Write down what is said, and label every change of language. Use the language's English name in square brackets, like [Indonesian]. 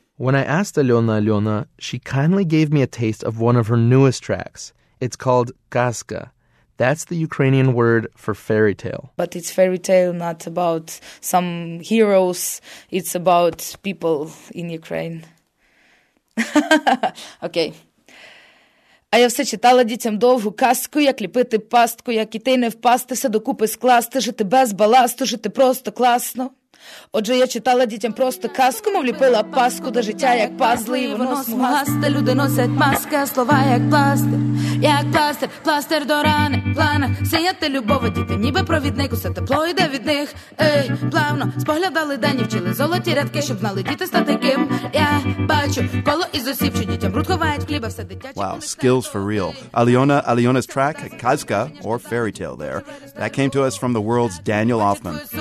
[English] When I asked Alyona Alyona, she kindly gave me a taste of one of her newest tracks. It's called Kaska. That's the Ukrainian word for fairy tale. But it's fairy tale not about some heroes. It's about people in Ukraine. Okay. [Ukrainian] А я все читала дітям довгу казку, як ліпити пастку, як іти не впастися, докупи скласти, жити без баласту, жити просто класно. Отже, я читала дітям просто казку, мов ліпила паску до життя, як пазли, і воно смугасте. Люди носять маски, а слова як пластир, пластир до рани. В планах сіяти любов, діти ніби провідник, усе тепло йде від них. Ей, плавно споглядали дані, вчили золоті рядки, щоб знали діти стати ким. Я бачу коло із осіб, що дітям бруд ховають хліба, все дитяче. [English] Wow, skills for real. Alyona Alyona's track, Kazka, or Fairy Tale there, that came to us from the world's Daniel Offman.